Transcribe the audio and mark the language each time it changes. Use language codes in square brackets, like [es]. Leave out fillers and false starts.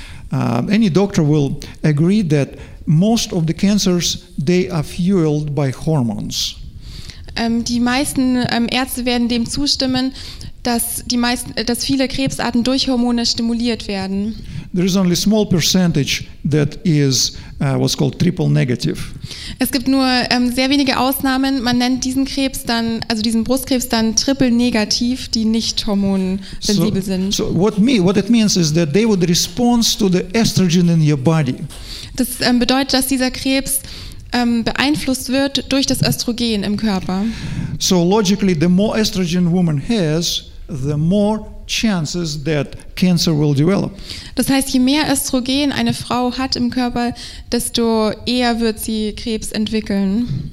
[en] Any doctor will agree that most of the cancers, they are fueled by hormones. [de] Die meisten Ärzte werden dem zustimmen, dass viele Krebsarten durch Hormone stimuliert werden. [en] There is only a small percentage that is what's called triple negative. [de] Es gibt nur sehr wenige Ausnahmen. Man nennt diesen Krebs dann, also diesen Brustkrebs dann triple negativ, die nicht hormonsensibel sind. [en] So what it means is that they would respond to the estrogen in your body. [de] Das bedeutet, dass dieser Krebs beeinflusst wird durch das Östrogen im Körper. [en] So logically, the more estrogen woman has, the more chances that cancer will develop. [de] Das heißt, je mehr Östrogen eine Frau hat im Körper, desto eher wird sie Krebs entwickeln.